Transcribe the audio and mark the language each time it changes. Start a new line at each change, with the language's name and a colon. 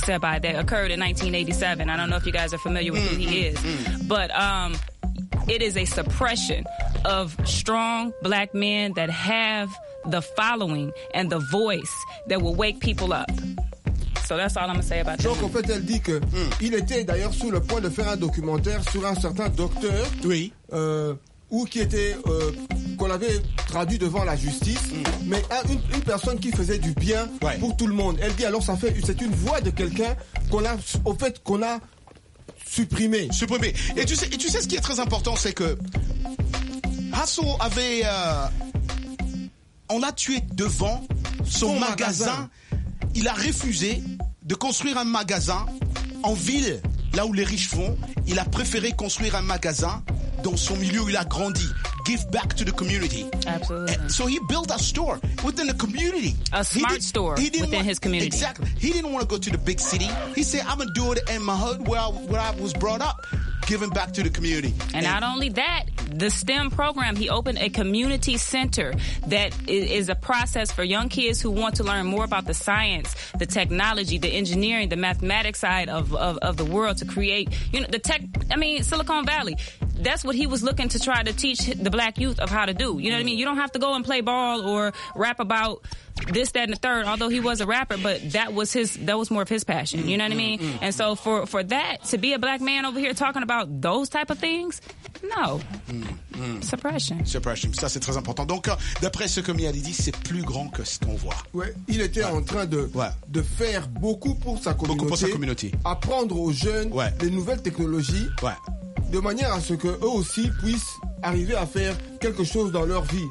English: Sebi that occurred in 1987. I don't know if you guys are familiar with who he is. But it is a suppression of strong black men that have the following and the voice that will wake people up. So that's all I'm going to say about that.
French: Donc, en fait, elle dit que il était d'ailleurs sur le point de faire un documentaire sur un certain docteur. Oui. Ou qui était qu'on avait traduit devant la justice, mais une personne qui faisait du bien pour tout le monde. Elle dit alors c'est une voix de quelqu'un qu'on a supprimé. Et tu sais ce qui est très important, c'est que Hasso avait on l'a tué devant son magasin. Il a refusé de construire un magasin en ville là où les riches vont. Il a préféré construire un magasin dans son milieu où il a grandi.
English: Give back to the community. Absolutely. So he built a store within the community. A smart store within his community. Exactly. He didn't want to go to the big city. He said, I'm going to do it in my hood where I was brought up. Giving back to the community. And not only that, the STEM program, he opened a community center that is a process for young kids who want to learn more about the science, the technology, the engineering, the mathematics side of the world to create, you know, Silicon Valley. That's what he was looking to try to teach the black youth of how to do. You know what I mean? You don't have to go and play ball or rap about this, that, and the third, although he was a rapper, but that was more of his passion. You know what I mean? And so for that, to be a black man over here talking about those type of things, no. Suppression.
French: Ça, c'est très important. Donc, d'après ce que Mia dit, c'est plus grand que ce qu'on voit. Ouais, il était en train de faire beaucoup pour sa communauté. Beaucoup pour sa communauté. Apprendre aux jeunes les nouvelles technologies. Ouais. De manière à ce qu'eux aussi puissent arriver à faire quelque chose dans leur vie.